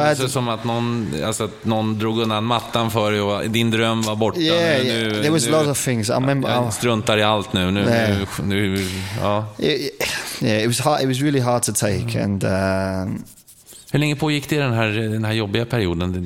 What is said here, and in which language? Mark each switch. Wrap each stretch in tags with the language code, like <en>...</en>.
<sv>Kändes det som att någon drog undan mattan för dig och din dröm var borta?</sv> <en>There was a lot of things. I remember.</en> <sv>Jag struntar i allt nu.</sv> <en>It was hard. It was really hard to take. And</en> <sv>hur länge pågick det den här jobbiga perioden?</sv>